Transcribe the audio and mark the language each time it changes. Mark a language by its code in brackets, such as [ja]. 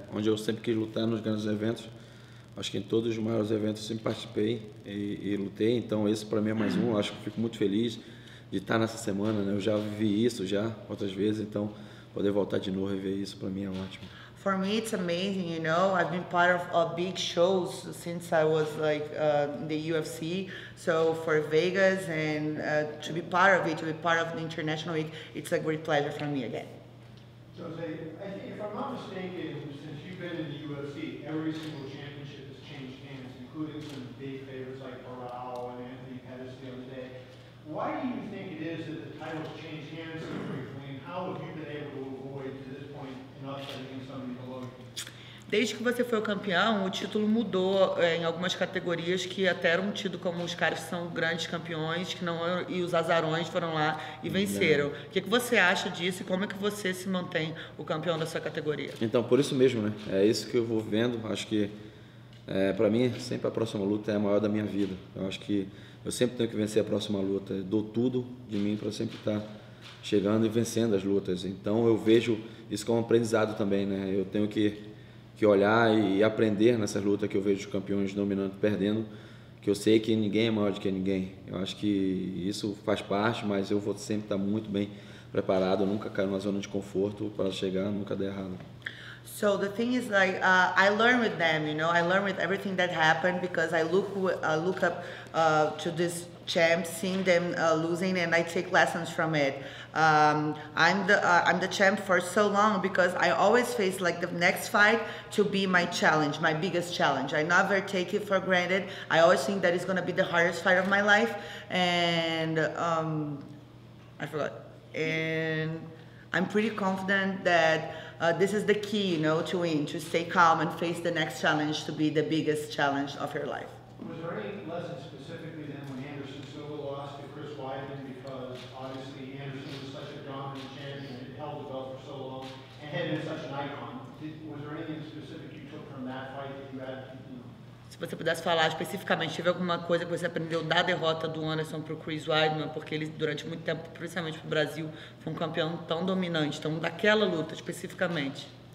[pt] Onde eu sempre quis lutar nos grandes eventos, acho que em todos os maiores eventos eu sempre participei e lutei. Então, esse para mim é mais um. Acho que fico muito feliz de estar nessa semana, né? Eu já vi isso já outras vezes, então... Poder voltar de novo e ver isso para mim é ótimo. [en] For me it's amazing, you know. I've been part of big shows since I was like in the UFC. So for Vegas and to be part of it, to be part of the International Week, it's a great pleasure for me again. Jose, I think if I'm not mistaken, since you've been in the UFC, every single championship has changed hands, including some big favorites like Barao and Anthony Pettis the other day. Why do you think it is that the titles change hands so frequently? [pt] Desde que você foi o campeão, o título mudou em algumas categorias que até eram tidos como os caras que são grandes campeões que não, e os azarões foram lá e venceram. O que você acha disso e como é que você se mantém o campeão da sua categoria? Então, por isso mesmo, né? É isso que eu vou vendo. Acho que, para mim, sempre a próxima luta é a maior da minha vida. Eu acho que eu sempre tenho que vencer a próxima luta. Eu dou tudo de mim para sempre estar chegando e vencendo as lutas. Então eu vejo isso como um aprendizado também, né? Eu tenho que olhar e aprender nessa luta que eu vejo os campeões dominando, perdendo, que eu sei que ninguém é maior do que ninguém. Eu acho que isso faz parte, mas eu vou sempre estar muito bem preparado, eu nunca caio numa zona de conforto para chegar, nunca dar errado. [en] So the thing is like I learn with them, you know. I learn with everything that happened because I look up to this champs, seeing them losing, and I take lessons from it. I'm the champ for so long because I always face like the next fight to be my challenge, my biggest challenge. I never take it for granted. I always think that it's gonna be the hardest fight of my life, and I forgot. And I'm pretty confident that this is the key, you know, to win, to stay calm and face the next challenge to be the biggest challenge of your life. Was there any lessons specifically then when Anderson Silva lost to Chris Weidman because obviously Anderson was such a dominant champion and held the belt for so long and had been such an icon? Was there anything specific you took from that fight that you had? [pt] Se você pudesse falar especificamente, teve alguma coisa que você aprendeu da derrota do Anderson para o Chris Weidman, porque ele durante muito tempo, principalmente para o Brasil, foi um campeão tão dominante, então daquela luta especificamente?